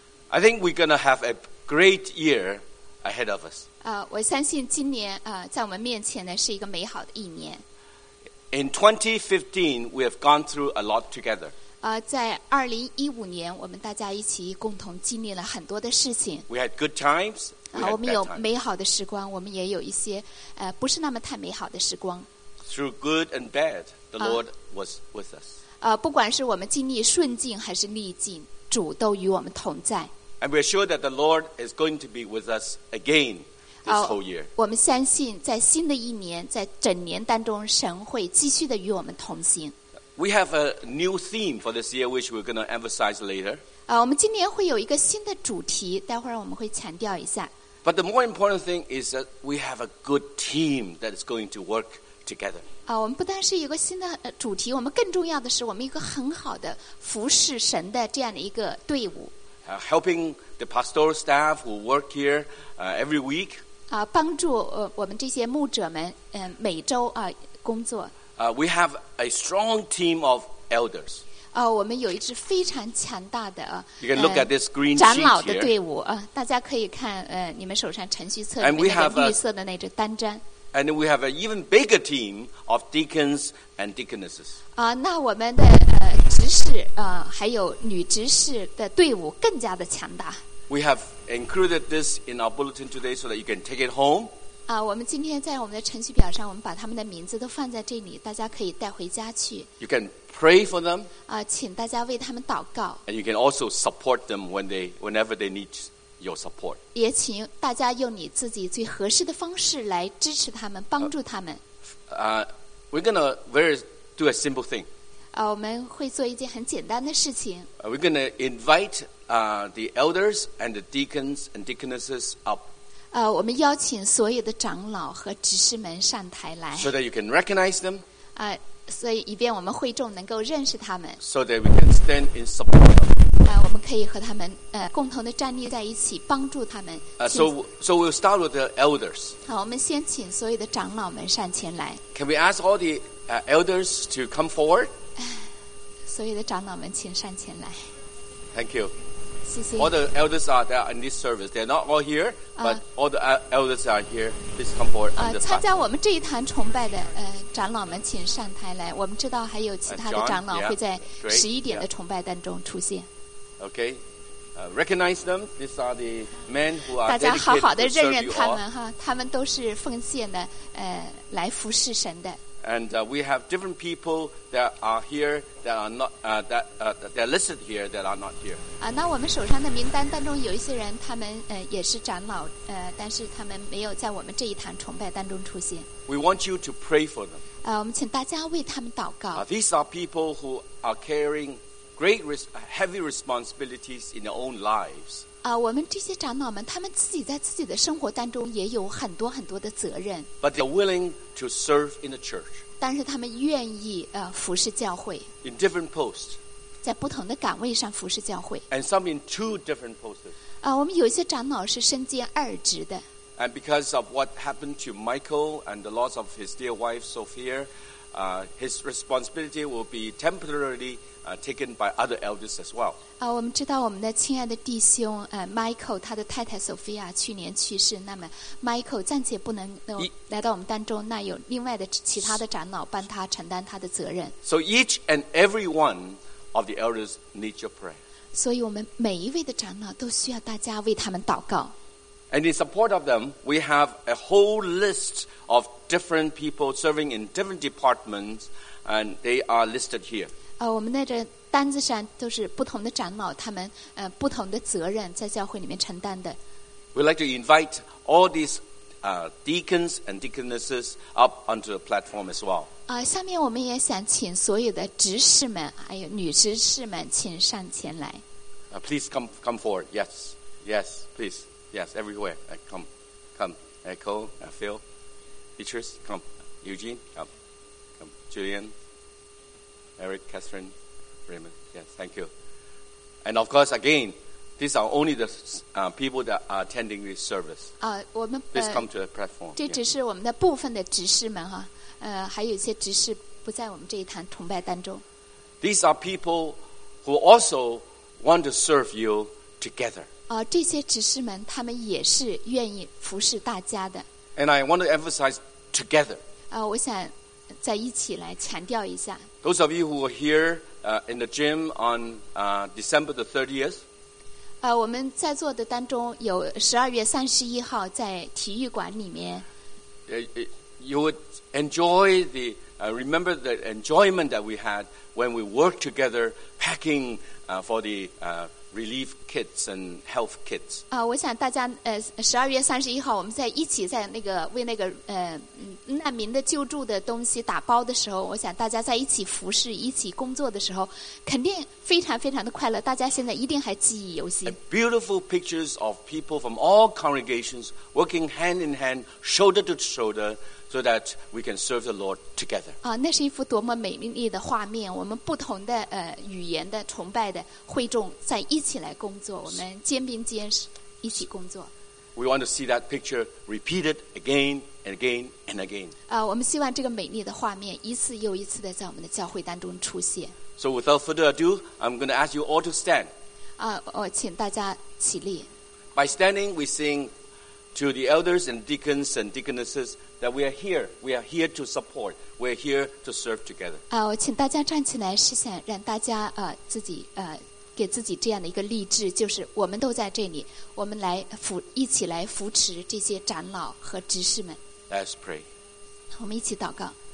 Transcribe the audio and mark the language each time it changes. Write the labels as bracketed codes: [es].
[en] I think we're gonna have a great year ahead of us。 [zh] 我相信今年在我们面前呢是一个美好的一年。 [en] In 2015, we have gone through a lot together。 [zh] 在2015年，我们大家一起共同经历了很多的事情。 [en] We had good times。 [zh] 我们有美好的时光，我们也有一些不是那么太美好的时光。 [en] Through good and bad, the Lord was with us. [zh] 不管是我们经历顺境还是逆境，主都与我们同在。 [en] And we're sure that the Lord is going to be with us again this whole year. [zh] 我们相信在新的一年，在整年当中，神会继续的与我们同行。 [en] We have a new theme for this year, which we're going to emphasize later. [zh] 我们今年会有一个新的主题，待会儿我们会强调一下。 [en] But the more important thing is that we have a good team that is going to work together. [zh] 我们不单是一个新的主题，我们更重要的是我们一个很好的服侍神的这样的一个队伍。 [en] Helping the pastoral staff who work here every week. [zh] 帮助我们这些牧者们每周工作。 [en] We have a strong team of elders. [zh] 我们有一支非常强大的 [en] You can look at this green [zh] 长老的队伍大家可以看你们手上程序册里面那个绿色的那支单张。 [en] And we have an even bigger team of deacons and deaconesses. [zh] 那我们的执事还有女执事的队伍更加的强大。 [en] We have included this in our bulletin today so that you can take it home. [zh] 我们今天在我们的程序表上，我们把他们的名字都放在这里，大家可以带回家去。 [en] You can pray for them. [zh] 请大家为他们祷告。 [en] And you can also support them whenever they need your support. [zh] 也请大家用你自己最合适的方式来支持他们，帮助他们。 [en] We're gonna do a simple thing. [zh] 我们会做一件很简单的事情。 [en] We're gonna invite the elders and the deacons and deaconesses up. [zh] 我们邀请所有的长老和执事们上台来。 [en] So that you can recognize them. [zh] 所以以便我们会众能够认识他们。 [en] So that we can stand in support of them. [zh] 我们可以和他们共同的站立在一起，帮助他们。 [en] So we'll start with the elders. [zh] 好，我们先请所有的长老们上前来。 [en] Can we ask all the elders to come forward? [zh] 所有的长老们请上前来。 [en] Thank you. [zh] 谢谢 [en] all the elders are there in this service. They're not all here, but all the elders are here. Please come forward. [zh] 参加我们这一堂崇拜的长老们，请上台来。我们知道还有其他的长老会在十一点的崇拜当中出现。 [en] Okay, recognize them. These are the men who are. [zh] 大家好好的认认他们哈，他们都是奉献的来服侍神的。 [en] And we have different people that are here that are not that are listed here that are not here. [zh] 那我们手上的名单当中有一些人，他们也是长老但是他们没有在我们这一堂崇拜当中出现。 [en] We want you to pray for them. [zh] 我们请大家为他们祷告。 [en] These are people who are carrying great heavy responsibilities in their own lives. [zh] 我们这些长老们，他们自己在自己的生活当中也有很多很多的责任。 [en] But they're willing to serve in the church. [zh] 但是他们愿意服侍教会。 [en] In different posts. [zh] 在不同的岗位上服侍教会。 [en] And some in two different posts. [zh] 我们有一些长老是身兼二职的。 [en] And because of what happened to Michael and the loss of his dear wife Sophia, his responsibility will be temporarily taken by other elders as well. [zh] 我们知道我们的亲爱的弟兄Michael 他的太太 Sophia 去年去世，那么 Michael 暂且不能来到我们当中，那有另外的其他的长老帮他承担他的责任。 [en] So each and every one of the elders needs your prayer. [zh] 所以我们每一位的长老都需要大家为他们祷告。 [en] And in support of them, we have a whole list of different people serving in different departments, and they are listed here. [zh] 我们那个单子上都是不同的长老，他们不同的责任在教会里面承担的。 [en] We'd like to invite all these deacons and deaconesses up onto the platform as well. [zh] 下面我们也想请所有的执事们，还有女执事们，请上前来。 [en] Please come forward. Yes, yes, please. Yes, everywhere. Come. Echo, Phil, Beatrice, come. Eugene, come. Julian, Eric, Catherine, Raymond. Yes, thank you. And of course, again, these are only the people that are attending this service. Please come to the platform. [zh] 这只是我们的部分的执事们哈，还有一些执事不在我们这一堂崇拜当中。 [en] These are people who also want to serve you together. [zh] 这些执事们他们也是愿意服侍大家的。 [en] And I want to emphasize together. [zh] 我想再一起来强调一下。 [en] Those of you who were here in the gym on December the 30th. [zh] 我们在座的当中有12月31号在体育馆里面。 [en] You would enjoy the remember the enjoyment that we had when we worked together packing for the relief kits and health kits. [zh] 我想大家12月31号我们在一起在那个为那个难民的救助的东西打包的时候，我想大家在一起服侍一起工作的时候肯定非常非常的快乐，大家现在一定还记忆犹新。 [en] Beautiful pictures of people from all congregations working hand in hand, shoulder to shoulder, so that we can serve the Lord together. [zh] 那是一幅多么美丽的画面，我们不同的语言的崇拜的会众在一起来工作，我们肩并肩一起工作。 [en] We want to see that picture repeated again and again and again. [zh] 我们希望这个美丽的画面一次又一次的在我们的教会当中出现。 [en] So without further ado, I'm going to ask you all to stand. [zh] 我请大家起立。 [en] By standing, we sing to the elders and deacons and deaconesses that we are here. We are here to support. We are here to serve together. [zh] 我请大家站起来，是想让大家自己给自己这样的一个励志，就是我们都在这里，我们来一起来扶持这些长老和执事们。 [en] Let's pray. [zh] 我们一起祷告。